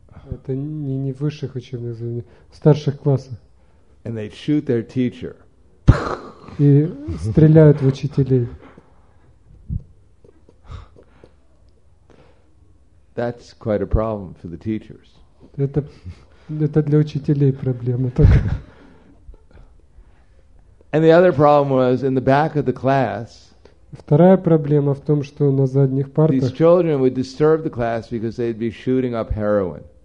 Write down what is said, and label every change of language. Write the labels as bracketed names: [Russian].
[Russian] Это не в высших учебных заведениях, в старших классах. [English] And they shoot their teacher. [Russian] И стреляют в учителей. [English] That's quite a problem for the teachers. [Russian] Это для учителей проблема только. [English] And the other problem was in the back of the class. [Russian] Вторая проблема в том, что на задних партах. [English] These children would disturb the class because they'd be shooting up heroin.